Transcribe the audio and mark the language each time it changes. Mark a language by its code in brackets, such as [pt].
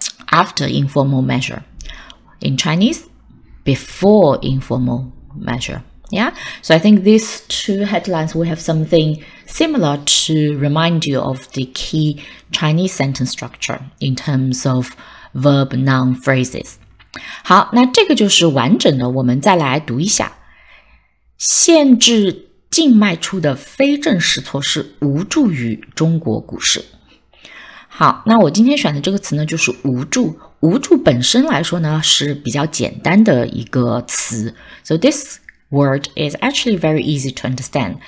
[en] after informal measure. In Chinese, before informal measure. Yeah, so I think these two headlines will have something similar to remind you of the key Chinese sentence structure in terms of verb noun phrases. [zh] 好，那这个就是完整的，我们再来读一下。限制境外出的非正式措施无助于中国股市。好，那我今天选的这个词呢，就是无助。无助本身来说呢，是比较简单的一个词。 [en] So this word is actually very easy to understand.